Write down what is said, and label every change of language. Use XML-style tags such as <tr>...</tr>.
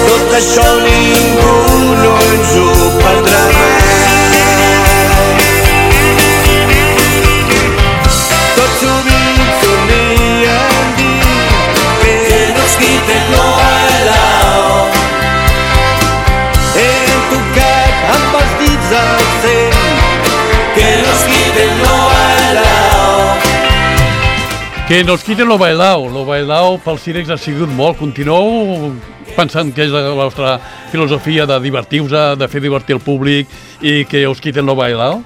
<ca>això ningú no ens ho perdrà mai. Tot sovint solíem dir que</ca> <es>nos quiten lo helado.</es> <ca>Hem tocat amb els dits al cel que</ca> <es>nos quiten lo helado. Que nos quiten lo bailao. Lo bailao</es> <ca>pel Sirex ha sigut molt. Continuou pensant que és la vostra filosofia de divertir-vos, de fer divertir el públic i que us</ca> <es>quiten lo bailao?</es>